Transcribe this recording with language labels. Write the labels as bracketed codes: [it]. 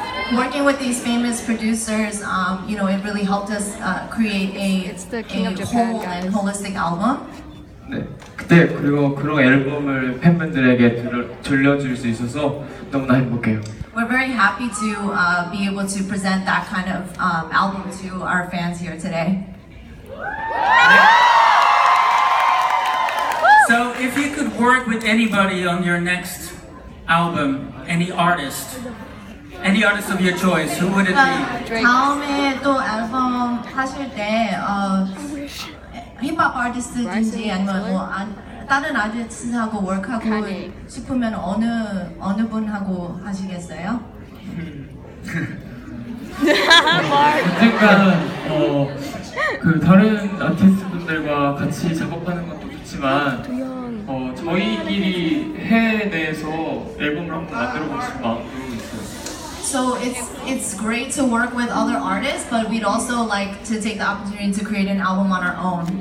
[en] Working with these famous producers, it really helped us create a holistic album. [ko] 네, 그때 그리고 그런 앨범을 팬분들에게 들려줄 수 있어서 너무나 행복해요. [en] We're very happy to be able to present that kind of album to our fans here today. So if you could work with anybody on your next album, any artist of your choice, who would it be? [ko] 다음에 또 앨범 하실 때 힙합 아티스트인지 아니면 뭐 다른 아티스트하고 워크하고 싶으면 어느 분하고 하시겠어요? 어쨌든 그 다른 아티스트분들과 같이 작업하는 것도 좋지만 저희끼리 해내서 앨범을 한번 만들어볼 수 마음도 있어요. [en] So it's great to work with other artists, but we'd also like to take the opportunity to create an album on our own.